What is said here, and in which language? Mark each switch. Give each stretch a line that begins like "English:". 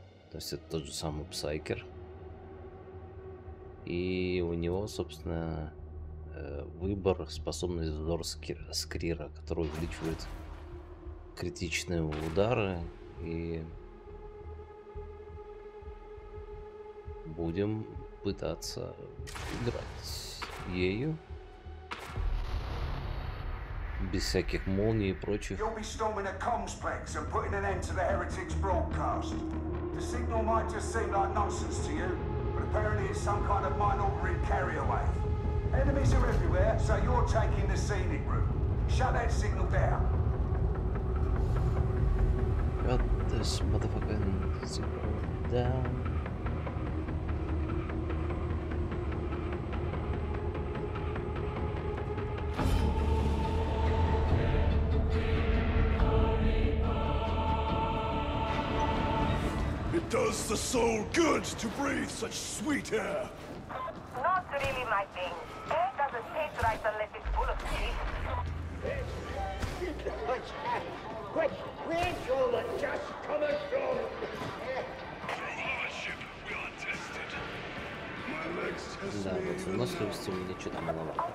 Russian: То есть это тот же самый Псайкер. И у него, собственно, выбор, способность взор Скрира, который увеличивает критичные удары и... Будем пытаться играть ею без всяких молний и прочих.
English: You'll be storming a complex and putting an end to the Heretics broadcast. The signal might just seem like nonsense to you, but apparently it's some kind of mine altering carryaway. Enemies are everywhere, so you're taking the scenic route. Shut that signal down. Shut this motherfucking signal down. Does the soul good to breathe such sweet air? Not really my thing. Air doesn't taste right unless it's full of teeth. Where's all the dust coming from?
Russian: Да, вот в выносливости у меня что-то мало.